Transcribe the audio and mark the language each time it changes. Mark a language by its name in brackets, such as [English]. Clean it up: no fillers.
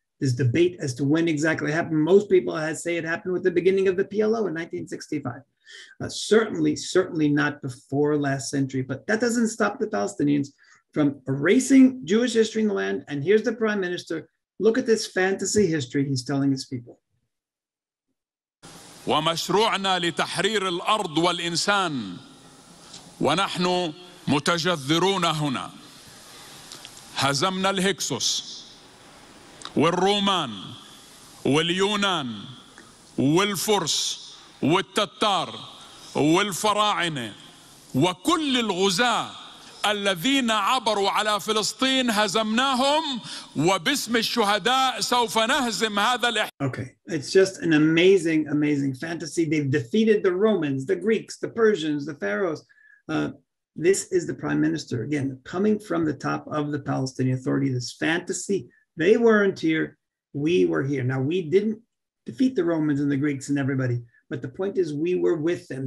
[English] There's debate as to when exactly it happened. Most people say it happened with the beginning of the PLO in 1965. Certainly not before last century, but that doesn't stop the Palestinians from erasing Jewish history in the land. And here's the prime minister. Look at this fantasy history he's telling his people. [Arabic] ومشروعنا لتحرير الأرض والإنسان ونحن متجذرون هنا هزمنا الهكسوس والرومان واليونان والفرس والتتار والفراعنة وكل الغزاة الذين عبروا على فلسطين هزمناهم وباسم الشهداء سوف نهزم هذا [English] Okay, it's just an amazing fantasy. They've defeated the Romans, the Greeks, the Persians, the Pharaohs. This is the prime minister, again, coming from the top of the Palestinian Authority, this fantasy. They weren't here, we were here. Now, we didn't defeat the Romans and the Greeks and everybody, but the point is we were with them.